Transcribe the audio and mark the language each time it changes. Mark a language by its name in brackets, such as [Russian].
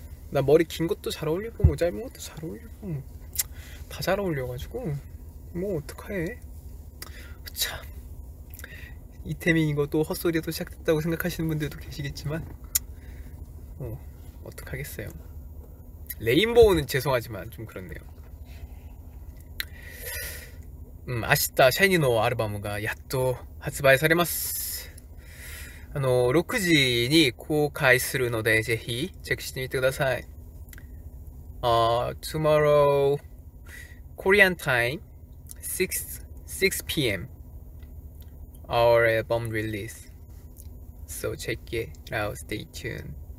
[Korean] 나 머리 긴 것도 잘 어울리고 뭐 짧은 것도 잘 어울리고 다잘 어울려가지고 뭐 어떡해? 참 이태민 이거 또 헛소리도 시작됐다고 생각하시는 분들도 계시겠지만 어떡하겠어요? 레인보우는 죄송하지만 좀 그렇네요. [Japanese] 明日、シャイニーのアルバムがやっと発売されます。 6時に公開するので、ぜひチェックしてみてください。 [English] Tomorrow, Korean time, 6 p.m. Our album release. So check it out, stay tuned.